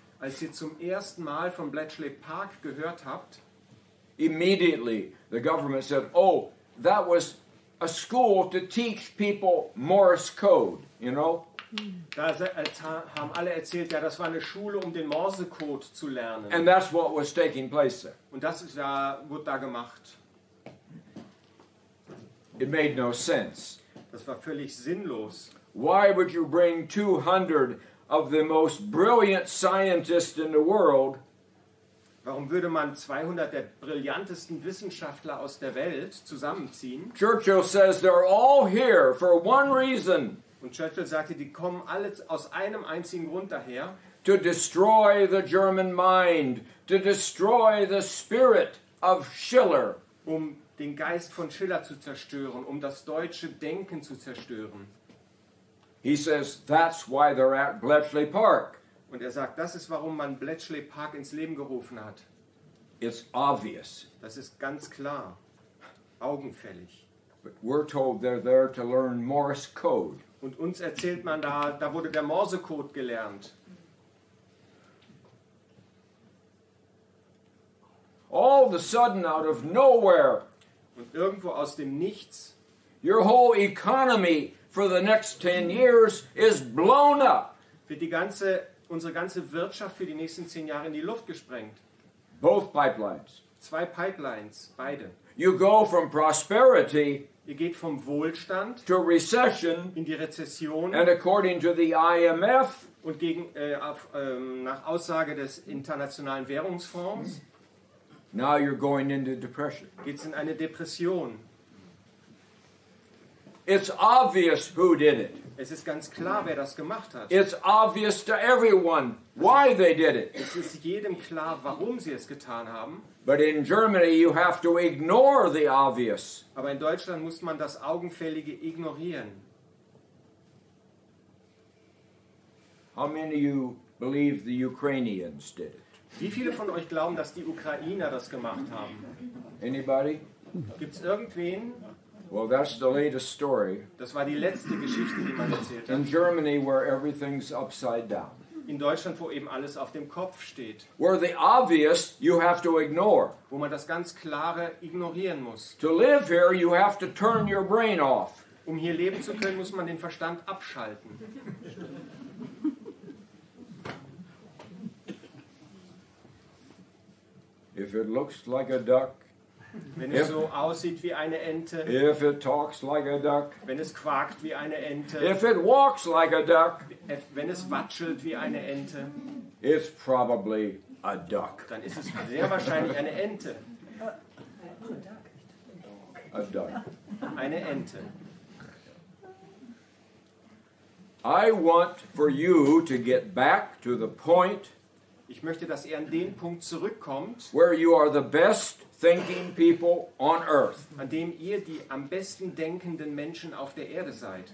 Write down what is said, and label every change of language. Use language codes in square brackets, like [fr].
[de] als ihr zum ersten Mal vom Bletchley Park gehört habt, [en] immediately the government said, oh, that was a school to teach people Morse code, you know? [de] Da haben alle erzählt, ja, das war eine Schule, um den Morsecode zu lernen. [en] And that's what was taking place there. [de] Und das ist da, wurde da gemacht. [en] It made no sense. [de] Das war völlig sinnlos. [en] Why would you bring 200 of the most brilliant scientists in the world? [de] Warum würde man 200 der brillantesten Wissenschaftler aus der Welt zusammenziehen? [en] Churchill says they're all here for one reason. [de] Und Churchill sagte, die kommen alle aus einem einzigen Grund daher. [en] To destroy the German mind, to destroy the spirit of Schiller. [de] Um den Geist von Schiller zu zerstören, um das deutsche Denken zu zerstören. [en] He says that's why they're at Bletchley Park. [de] Und sagt, das ist warum man Bletchley Park ins Leben gerufen hat. [en] It's obvious. [de] Das ist ganz klar. Augenfällig. [en] But we're told they're there to learn Morse code. [de] Und uns erzählt man da wurde der Morsecode gelernt. [en] All of a sudden out of nowhere. [de] Und irgendwo aus dem Nichts. [en] Your whole economy for the next 10 years is blown up. [de] Wird die ganze unsere ganze Wirtschaft für die nächsten 10 Jahre in die Luft gesprengt. [en] Both pipelines. [de] Zwei Pipelines, beide. [en] You go from prosperity. [de] Ihr geht vom Wohlstand [en] to recession. [de] In die Rezession. [en] And according to the IMF. [de] Und gegen nach Aussage des Internationalen Währungsfonds. [en] Now you're going into depression. [de] Geht's in eine Depression. [en] It's obvious who did it. [de] Es ist ganz klar, wer das gemacht hat. [en] It's obvious to everyone why they did it. [de] Es ist jedem klar, warum sie es getan haben. [en] But in Germany you have to ignore the obvious. [de] Aber in Deutschland muss man das Augenfällige ignorieren. [en] How many of you believe the Ukrainians did it? [de] Wie viele von euch glauben, dass die Ukrainer das gemacht haben? [en] Anybody? [de] Gibt's irgendwen? [en] Well, that's the latest story. [de] Das war die letzte Geschichte, die man erzählt hat. [en] In Germany, where everything's upside down. [de] In Deutschland, wo eben alles auf dem Kopf steht. [en] Where the obvious you have to ignore. [de] Wo man das ganz Klare ignorieren muss. [en] To live here, you have to turn your brain off. [de] Um hier leben zu können, muss man den Verstand abschalten. [en] If it looks like a duck, [de] wenn es so aussieht wie eine Ente, [en] if it talks like a duck, [de] wenn es quakt wie eine Ente, [en] if it walks like a duck, [de] wenn es watschelt wie eine Ente, [en] it's probably a duck. [de] Dann ist es sehr wahrscheinlich eine Ente. [en] A duck. [de] Eine Ente. [en] I want for you to get back to the point. [de] Ich möchte, dass ihr an den Punkt zurückkommt, [en] where you are the best thinking people on earth. [de] An dem ihr die am besten denkenden Menschen auf der Erde seid.